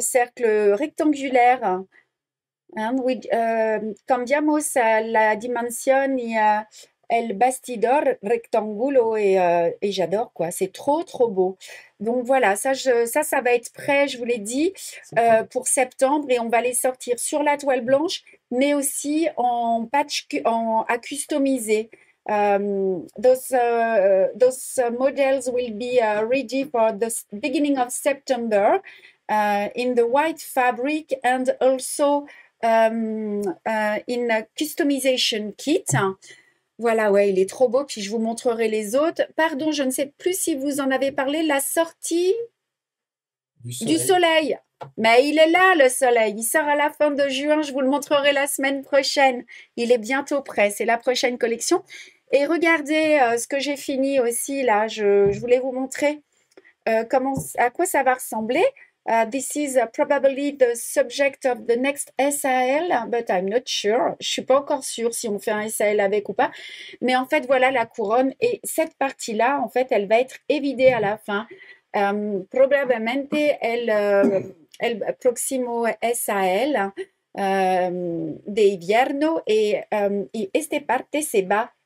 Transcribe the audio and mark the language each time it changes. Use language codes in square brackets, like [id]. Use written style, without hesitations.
[fr] cercle rectangulaire. [es] Cambiamos la dimensión y el bastidor rectangulo [fr] et j'adore quoi, c'est trop trop beau. Donc voilà, ça va être prêt, je vous l'ai dit, C'est prêt. pour septembre et on va les sortir sur la toile blanche. Mais aussi en patch, à customiser. [en] Those models will be ready for the beginning of September in the white fabric and also in a customization kit. [fr] Voilà, ouais, il est trop beau. Puis je vous montrerai les autres. Pardon, je ne sais plus si vous en avez parlé. La sortie Du du soleil. soleil. Mais il est là, le soleil. Il sort à la fin de juin. Je vous le montrerai la semaine prochaine. Il est bientôt prêt. C'est la prochaine collection. Et regardez ce que j'ai fini aussi là. Je voulais vous montrer à quoi ça va ressembler. [en] This is probably the subject of the next SAL, but I'm not sure. [fr] Je ne suis pas encore sûre si on fait un SAL avec ou pas. Mais en fait, voilà la couronne. Et cette partie-là, en fait, elle va être évidée à la fin. [es] Probablemente el próximo SAL de invierno y este parte se va.